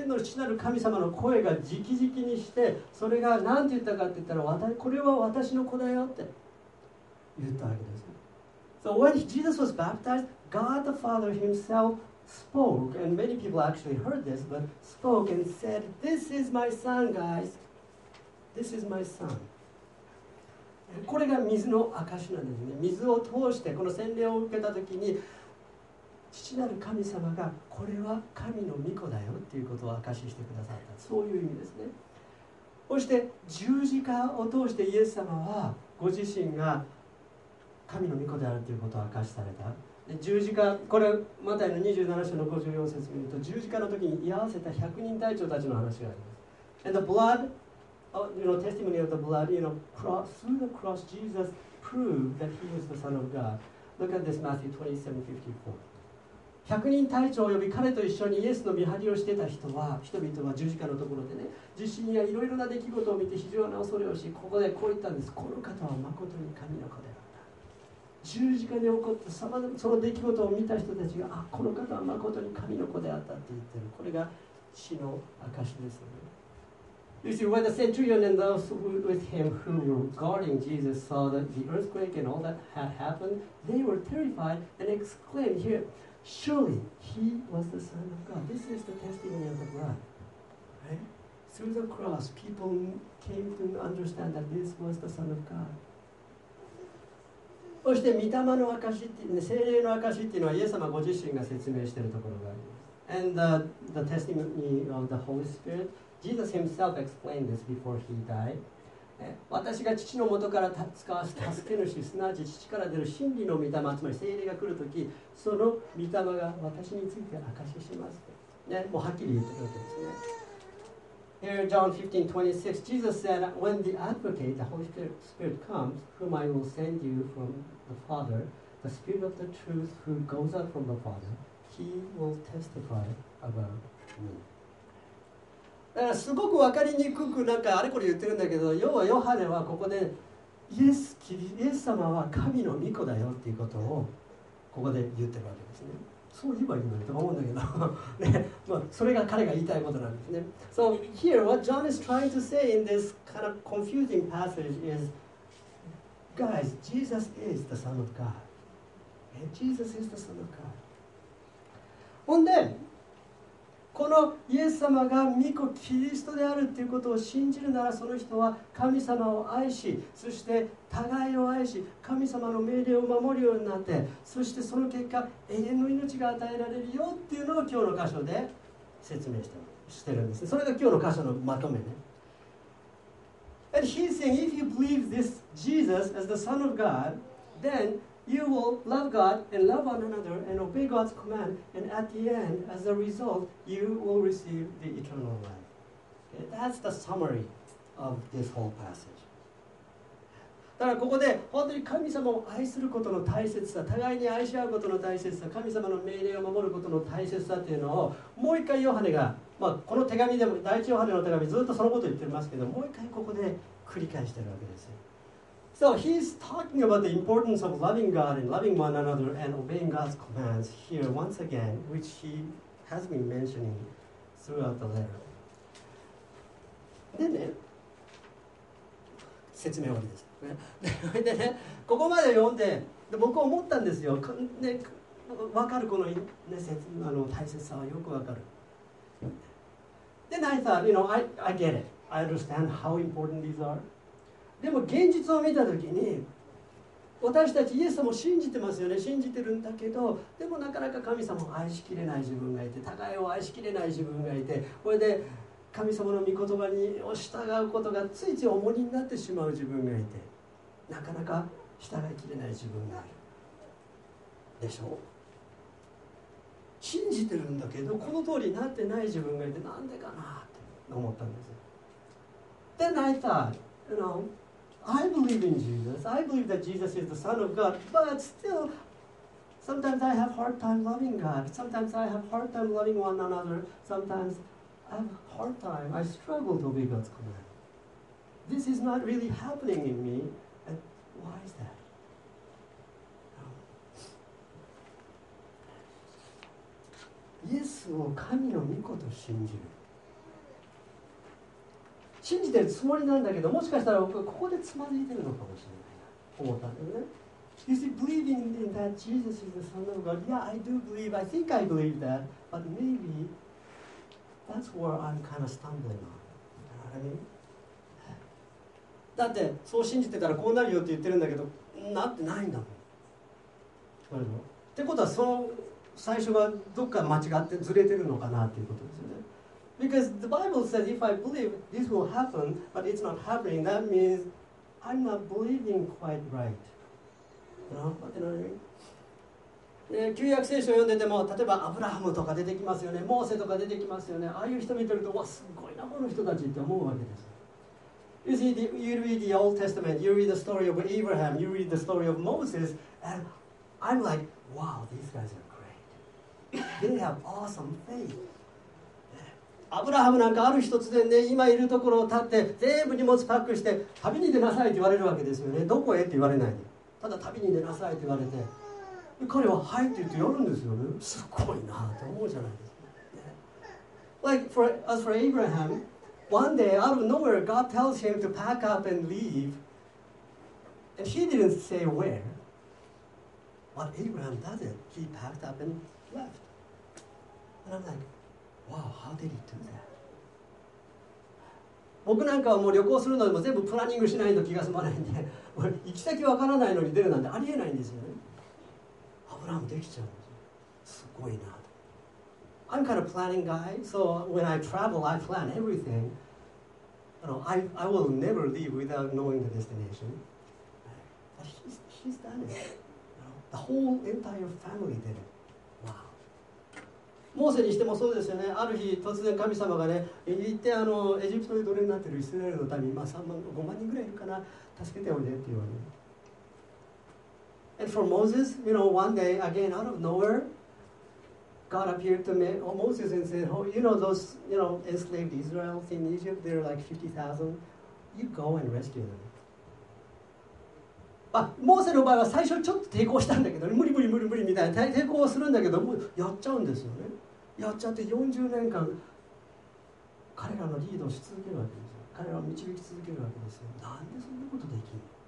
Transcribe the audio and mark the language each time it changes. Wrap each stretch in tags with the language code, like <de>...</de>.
<ja>天の父なる神様の声が直々にして、それが何て言ったかって言ったら、これは私の子だよって言ったわけです。</ja> <en>So when Jesus was baptized, God the Father himself spoke, and many people actually heard this, but spoke and said, "This is my son, guys. This is my son."</en> <ja>これが水の証なんですね。水を通して、この洗礼を受けたときに、父なる神様がこれは神の御子だよということを証ししてくださった、そういう意味ですね。そして十字架を通してイエス様はご自身が神の御子であるということを証しされた。で十字架、これマタイの27章の54節を見ると、十字架の時に居合わせた百人隊長たちの話があります。</ja> <en>And the blood, you know, testimony of the blood, you know, cross, through the cross Jesus proved that he was the Son of God. Look at this Matthew 27:54.</en> <ja>百人隊長及び彼と一緒にイエスの見張りをしていた人々は十字架のところでね、地震やいろいろな出来事を見て非常な恐れをし、ここでこう言ったんです。この方は誠に神の子であった。十字架に起こったさまざまその出来事を見た人たちが、あ、この方は誠に神の子であったって言ってる。これが血の証ですね。</ja> <en>You see, when the centurion and those with him who were guarding Jesus saw that the earthquake and all that had happened, they were terrified and exclaimed, "Here,Surely he was the Son of God. This is the testimony of the blood." Right? Through the cross, people came to understand that this was the Son of God.</en> <ja>そして御霊の証っていうね、聖霊の証っていうのはイエス様ご自身が説明しているところがあります。</ja> <en>And the testimony of the Holy Spirit, Jesus himself explained this before he died.</en> <ja>私が父のもとから使わす助け主、すなわち父から出る真理の御霊、つまり聖霊が来るとき、その御霊が私について証しします、ね。もうはっきり言っているわけですね。</ja> <en>Here, John 15:26, Jesus said, "When the Advocate, the Holy Spirit comes, whom I will send you from the Father, the Spirit of the truth who goes out from the Father, he will testify about me."</en> <ja>すごく分かりにくく、なんかあれこれ言ってるんだけど、要はヨハネはここでイエス様は神の御子だよっていうことをここで言ってるわけですね。そう言えばいいのにと思うんだけど、ね、まあ、それが彼が言いたいことなんですね。</ja> <en>So here what John is trying to say in this kind of confusing passage is, guys, Jesus is the Son of God. And Jesus is the Son of God.</en> <ja>ほんでこのイエス様が御子キリストであるということを信じるなら、その人は神様を愛し、そして互いを愛し、神様の命令を守るようになって、そしてその結果永遠の命が与えられるよっていうのを今日の箇所で説明してるんですね。それが今日の箇所のまとめね。</ja> <en>And he is saying, if you believe this Jesus as the Son of God, thenYou will love God and love one another and obey God's command, and at the end, as a result, you will receive the eternal life. That's the summary of this whole passage.</en> <ja>だからここで本当に神様を愛することの大切さ、互いに愛し合うことの大切さ、神様の命令を守ることの大切さというのをもう一回ヨハネが、まあ、この手紙でも第一ヨハネの手紙ずっとそのことを言ってますけど、もう一回ここで繰り返しているわけですよ。</ja> <en>So he's talking about the importance of loving God and loving one another and obeying God's commands here once again, which he has been mentioning throughout the letter.</en> <ja>でね、説明終わりです。でね、ここまで読んで、で僕思ったんですよ。ね、分かるこの、ね、大切さはよく分かる。</ja> <en>Then I thought, you know, I get it. I understand how important these are.</en> <ja>でも現実を見たときに、私たちイエス様を信じてますよね、信じてるんだけど、でもなかなか神様を愛しきれない自分がいて、互いを愛しきれない自分がいて、これで神様の御言葉に従うことがついつい重荷になってしまう自分がいて、なかなか従いきれない自分がある。でしょ？信じてるんだけど、この通りになってない自分がいて、なんでかなって思ったんです。で、泣いた。</ja> <en>You know, I believe in Jesus. I believe that Jesus is the Son of God. But still, sometimes I have hard time loving God. Sometimes I have hard time loving one another. Sometimes I have hard time. I struggle to obey God's command. This is not really happening in me. And why is that?</en> <ja>イエスを神の御子と信じる。信じてるつもりなんだけど、もしかしたら僕ここでつまずいてるのかもしれないな、思ったんだよね。</ja> <en>You see, believing in that Jesus is the Son of God. Yeah, I do believe. I think I believe that. But maybe that's where I'm kind of stumbling on. You know what I mean?</en> <ja>だって、そう信じてたらこうなるよって言ってるんだけど、なってないんだもん。ってことは、その最初がどっか間違ってずれてるのかなっていうことですよね。</ja> <en>Because the Bible says if I believe this will happen, but it's not happening, that means I'm not believing quite right. You know?</en> <ja>で、旧約聖書を読んでても、例えばアブラハムとか出てきますよね、モーセとか出てきますよね、ああいう人見てると、わ、すごいな、この人たちって思うわけです。</ja> <en>You see, you read the Old Testament, you read the story of Abraham, you read the story of Moses, and I'm like, wow, these guys are great. They have awesome faith.</en> <ja>アブラハムなんかある日突然ね、今いるところを立って全部荷物パックして旅に出なさいって言われるわけですよね。どこへって言われないで、ただ旅に出なさいって言われて、彼ははいって言って寄るんですよね。すごいなと思うじゃないですか、ね、</ja> <en>Like for, as for Abraham, one day out of nowhere God tells him to pack up and leave. And he didn't say where. But Abraham does it. He packed up and left. And I'm likeWow, how did he do that?</en> <ja>僕なんかはもう旅行するのでも全部プランニングしないと気が済まないんで、行き先わからないのに出るなんてありえないんですよね。アブラムできちゃうんですよ。すごいなと。</ja> <en>I'm kind of planning guy, so when I travel, I plan everything. You know, I will never leave without knowing the destination. But he's done it. You know, the whole entire family did it.</en> <ja>モーセにしてもそうですよね。ある日突然神様がね、行ってエジプトで奴隷になっているイスラエルの民、まあ3万、5万人ぐらいいるかな、助けておいでって言われる。</ja> <en>And for Moses, you know, one day, again, out of nowhere, God appeared to Moses and said, oh, you know those, you know, enslaved Israelites in Egypt, they're like 50,000, you go and rescue them.</en> <ja>あ、モーセの場合は最初ちょっと抵抗したんだけど、無理無理無理無理みたいな抵抗をするんだけど、もうやっちゃうんですよね。やっちゃって40年間彼らのリードをし続けるわけですよ。彼らを導き続けるわけですよ。なんでそんなことできるの？</ja>